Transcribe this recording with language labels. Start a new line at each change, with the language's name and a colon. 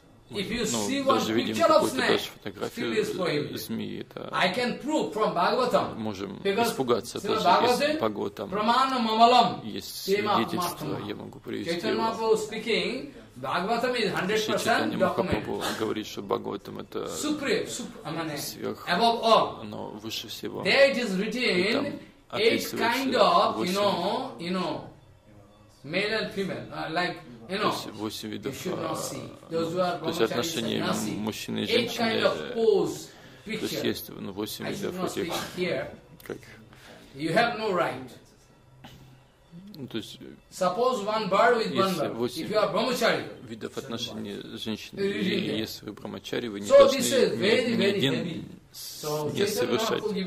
Russian: ну, даже видим какую-то даже фотографию змеи, да. Можем испугаться, даже из Бхагаватам есть свидетельство, я могу привести его.
English: Bhagavatam is 100%
Russian: Махапрабху говорит, что Бхагаватам это сверх,
English: above all.
Russian: Но выше всего.
English: There it is written eight kind of, you know, male and female, like, you know.
Russian: Восемь видов.
English: You should not see. Those who are brahmachari,
Russian: отношения мужчины и женщины.
English: Eight kind of pose, picture.
Russian: То есть, ну, восемь видов этих. Как?
English: You have no right.
Russian: То есть,
English: suppose one bird with one bird. If you are brahmachari,
Russian: видов отношений женщины. И если вы брамачари, вы не должны ни один не совершать.